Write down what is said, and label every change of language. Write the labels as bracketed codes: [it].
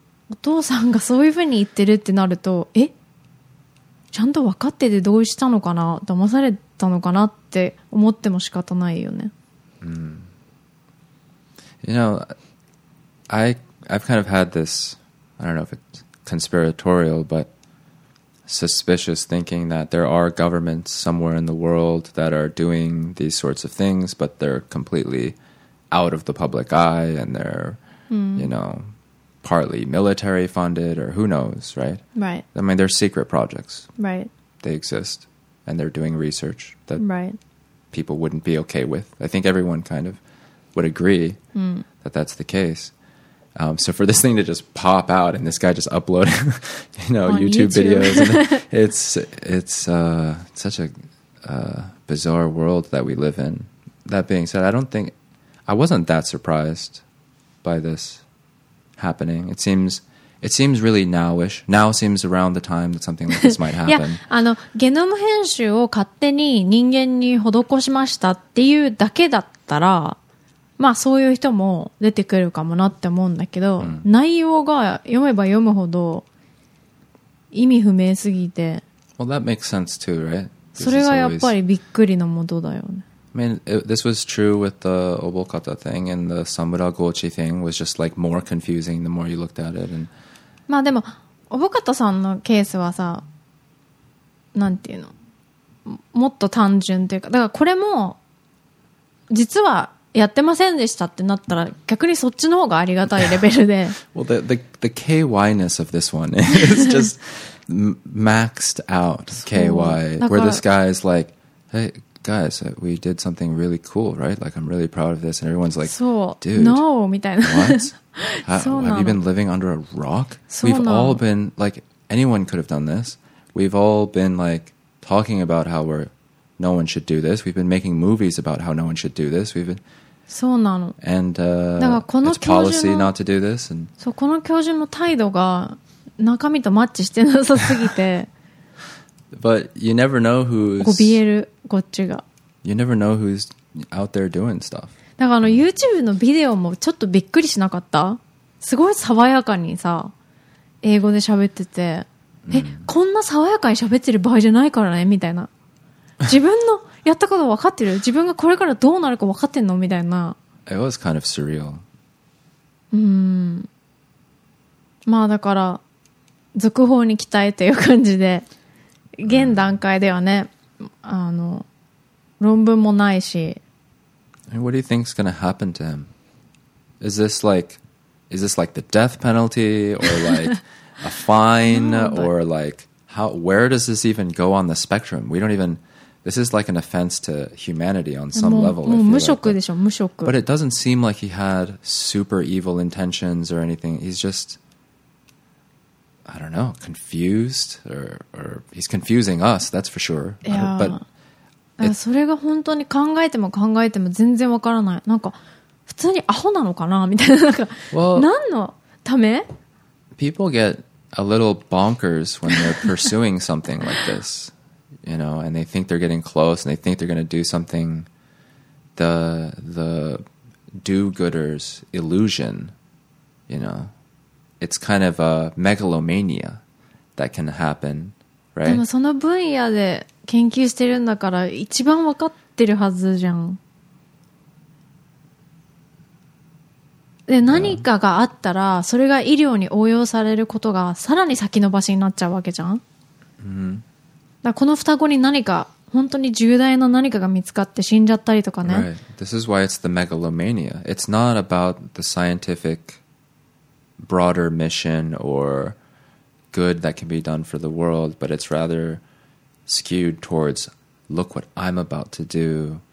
[ja] お父さんがそういうふうに言ってるってなると、え、ちゃんと分かってて同意したのかな、騙されたのかなって思っても仕方ないよね。 [en] You know, I've kind of had this, I don't know if it's conspiratorial, but suspicious thinking that there are governments somewhere in the world that are doing these sorts of things, but they're completely out of the public eye, and they're, you know, partly military funded, or who knows, right? Right. I mean, they're secret projects. Right. They exist, and they're doing research that right. people wouldn't be okay with. I think everyone kind of would agree that that's the case. So for this thing to just pop out, and this guy just uploading, you know, YouTube videos, and it's such a bizarre world that we live in. That being said, I wasn't that surprised by this happening. It seems really nowish. Now seems around the time that something like this might happen. [ja] Yeah, あの、ゲノム編集を勝手に人間に施しましたっていうだけだったら、まあそういう人も出てくるかもなって思うんだけど、内容が読めば読むほど意味不明すぎて。 [en] Well, that makes sense too, right? [ja] それがやっぱりびっくりのもとだよね。 [en] I mean, this was true with the Obokata thing, and the Samura Gochi thing was just like more confusing the more you looked at it. And [ja] まあでも Obokata-san のケースはさ、なんていうの、もっと単純というか、だからこれも実はやってませんでしたってなったら、逆にそっちの方がありがたいレベルで。 [en] Well, the KY-ness of this one is just maxed out KY, where this guy is like, hey,Guys, we did something really cool, right? Like, I'm really proud of this. And everyone's like, dude, [ja] no, みたいな。 [en] What? Have you been living under a rock? We've all been, like, anyone could have done this. We've all been, like, talking about how no one should do this. We've been making movies about how no one should do this. We've been, [ja] そうなの。 [en] And it's policy not to do this. And [ja] そう、この教授の態度が中身とマッチしてなさすぎて。 [en] But you never know who's [ja] 怯える、こっちが。 [en] You never know who's out there doing stuff. [ja] だからあの YouTube のビデオもちょっとびっくりしなかった？すごい爽やかにさ、英語で喋ってて、え、こんな爽やかに喋ってる場合じゃないからねみたいな。自分のやったこと分かってる？自分がこれからどうなるか分かってんのみたいな。 [en] It was kind of surreal. [ja] まあだから続報に期待という感じで、現段階ではね、あの論文もないし。 [en] And what do you think is going to happen to him? Is this like the death penalty or like a fine or like how? Where does this even go on the spectrum? We don't even. This is like an offense to humanity on some level. [ja] もう無職でしょ、無職。 [en] But it doesn't seem like he had super evil intentions or anything. He's just, I don't know, confused or he's confusing us. That's for sure. [ja] But それが本当に考えても考えても全然わからない。なんか普通にアホなのかなみたいな、なんか、well, 何のため [en] ？People get a little bonkers when they're pursuing something like this, you know, and they think they're getting close, and they think they're going to do something. The do-gooder's illusion, you know, it's kind of a megalomania that can happen, right? [ja] でもその分野で研究してるんだから一番わかってるはずじゃん。で何かがあったら、yeah. それが医療に応用されることがさらに先延ばしになっちゃうわけじゃん、 mm-hmm. だこの双子に何か本当に重大な何かが見つかって死んじゃったりとかね、 [en] right. This is why it's the megalomania. It's not about the scientific broader mission or good that can be done for the world, but it's rather skewed towards look what I'm about to do、